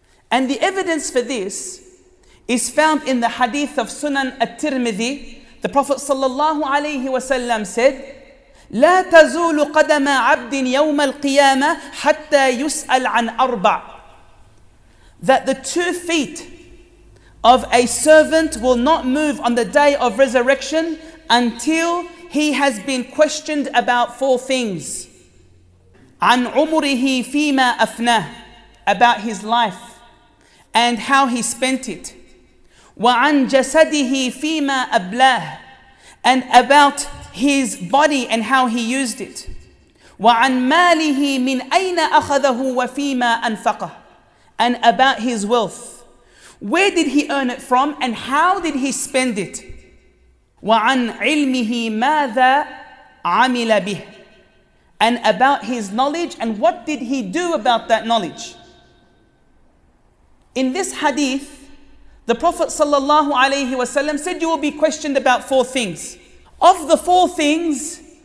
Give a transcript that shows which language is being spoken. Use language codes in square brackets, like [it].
[en] And the evidence for this is found in the hadith of Sunan At-Tirmidhi. The Prophet sallallahu alayhi wa sallam said, [ar] لا تزول قدم عبد يوم القيامة حتى يسأل عن أربع. [en] That the two feet of a servant will not move on the day of resurrection until he has been questioned about four things. [ar] عن عمره فيما أفناه, [en] about his life and how he spent it. [ar] وعن جسده فيما أبلاه, [en] and about his body and how he used it. [ar] وعن ماله من أين أخذه وفيما أنفقه, [en] and about his wealth. Where did he earn it from and how did he spend it? [ar] وعن علمه ماذا عمل به, [en] and about his knowledge and what did he do about that knowledge. In this hadith, the Prophet sallallahu alayhi wa sallam said, you will be questioned about four things. Of the four things,